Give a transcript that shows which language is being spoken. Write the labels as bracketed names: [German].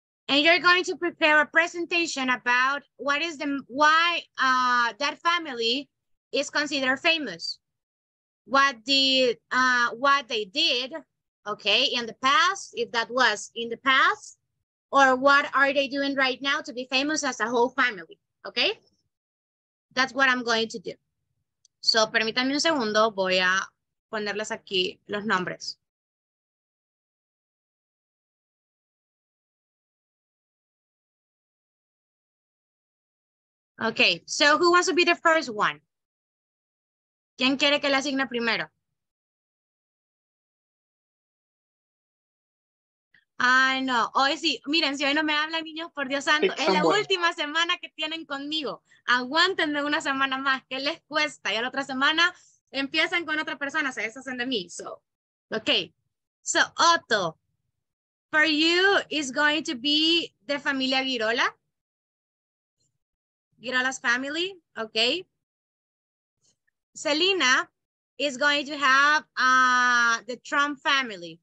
[English] And you're going to prepare a presentation about what is the why that family is considered famous. What they did, okay, in the past, if that was in the past, or what are they doing right now to be famous as a whole family, okay? That's what I'm going to do. [Spanish] So, permítanme un segundo, voy a ponerles aquí los nombres. [English] Okay, so who wants to be the first one? [Spanish] ¿Quién quiere que le asigne primero? Ay, no. Hoy sí. Miren, si hoy no me hablan, niños, por Dios santo. [English] Pick es someone. [Spanish] La última semana que tienen conmigo. Aguántenme una semana más. ¿Qué les cuesta? Y la otra semana empiezan con otra persona. Se deshacen de mí. [English] So, okay. So, Otto, for you, is going to be the familia Girola. Girola's family. Okay. Selena is going to have the Trump family.